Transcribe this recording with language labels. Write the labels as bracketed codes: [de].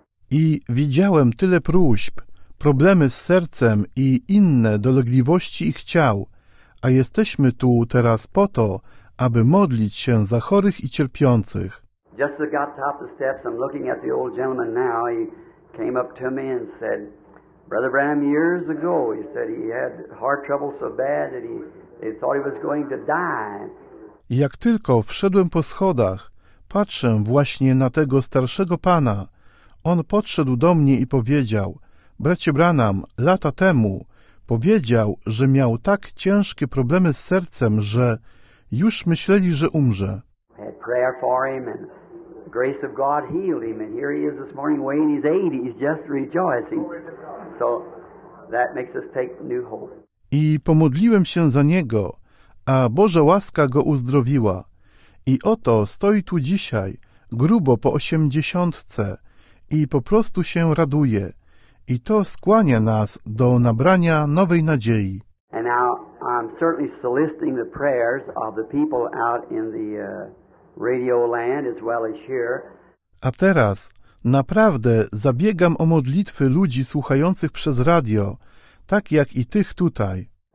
[pl] I widziałem tyle próśb, problemy z sercem i inne dolegliwości ich ciał, a jesteśmy tu teraz po to, aby modlić się za chorych i cierpiących. [en] Just as I got top the steps, I'm looking at the old gentleman now, he came up to me and said, Brother Branham, years ago, he said he had heart trouble so bad that he thought he was going to die. [pl] Jak tylko wszedłem po schodach, patrzę właśnie na tego starszego pana. On podszedł do mnie i powiedział, bracie Branham, lata temu, powiedział, że miał tak ciężkie problemy z sercem, że już myśleli, że umrze. [en] I had prayer for him and the grace of God healed him. And here he is this morning weighing his 80s, just rejoicing. So that makes us take new hope. [pl] I pomodliłem się za niego, a Boża łaska go uzdrowiła. I oto stoi tu dzisiaj, grubo po 80, i po prostu się raduje. I to skłania nas do nabrania nowej nadziei. [en] And now I'm certainly soliciting the prayers of the people out in the radio land as well as here. [pl] A teraz naprawdę zabiegam o modlitwy ludzi słuchających przez radio, tak jak i tych tutaj.